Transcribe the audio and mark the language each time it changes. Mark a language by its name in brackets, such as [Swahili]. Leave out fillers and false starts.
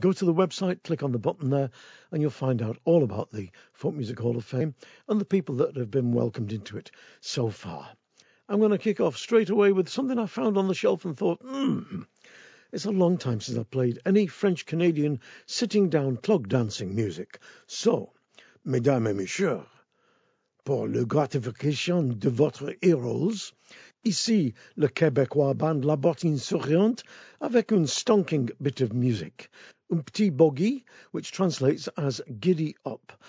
[English] Go to the website, click on the button there, and you'll find out all about the Folk Music Hall of Fame and the people that have been welcomed into it so far. I'm going to kick off straight away with something I found on the shelf and thought, it's a long time since I've played any French-Canadian sitting-down clog-dancing music. [French] So, mesdames et messieurs, pour la gratification de votre ears, ici le Québécois band La Bottine Souriante avec un [English] stonking bit of music. [French] Un petit bogey, [English] which translates as giddy up.